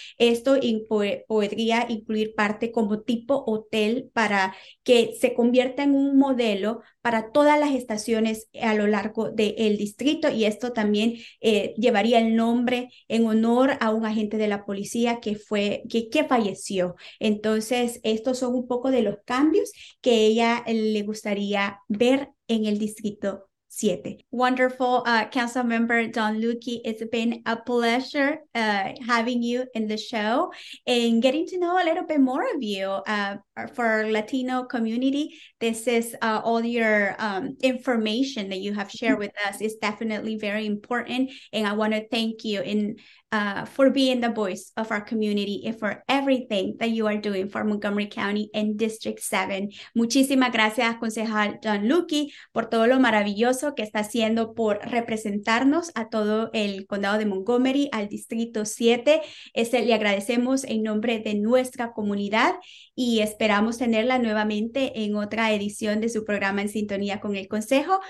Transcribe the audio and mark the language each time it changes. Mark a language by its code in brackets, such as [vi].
[es] Esto podría incluir parte como tipo hotel para que se convierta en un modelo para todas las estaciones a lo largo del distrito, y esto también llevaría el nombre en honor a un agente de la policía que falleció. Entonces, estos son un poco de los cambios que ella le gustaría ver en el distrito 7. [en] Wonderful, Councilmember Dawn Luedtke. It's been a pleasure having you in the show and getting to know a little bit more of you for Latino community. This is all your information that you have shared with us is definitely very important. And I want to thank you for being the voice of our community and for everything that you are doing for Montgomery County and District 7. [es] Muchísimas gracias, concejal Dawn Luedtke, por todo lo maravilloso que está haciendo por representarnos a todo el condado de Montgomery, al Distrito 7. Le agradecemos en nombre de nuestra comunidad y esperamos tenerla nuevamente en otra edición de su programa En Sintonía con el Consejo.